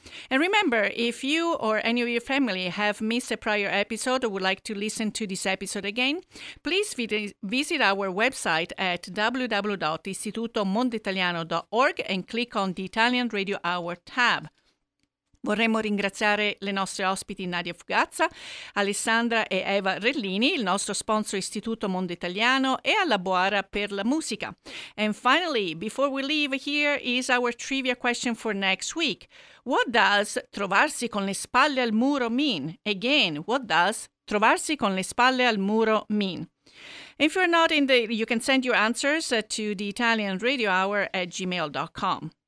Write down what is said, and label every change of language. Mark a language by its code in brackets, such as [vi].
[en] And remember, if you or any of your family have missed a prior episode or would like to listen to this episode again, please visit our website at www.istitutomondoitaliano.org and click on the Italian Radio Hour tab. [it] Vorremmo ringraziare le nostre ospiti Nadia Fugazza, Alessandra e Eva Rellini, il nostro sponsor Istituto Mondo Italiano e alla Boara per la musica. [en] And finally, before we leave, here is our trivia question for next week. What does [it] trovarsi con le spalle al muro [en] mean? Again, what does [it] trovarsi con le spalle al muro [en] mean? If you're not in the, you can send your answers to theitalianradiohour@gmail.com.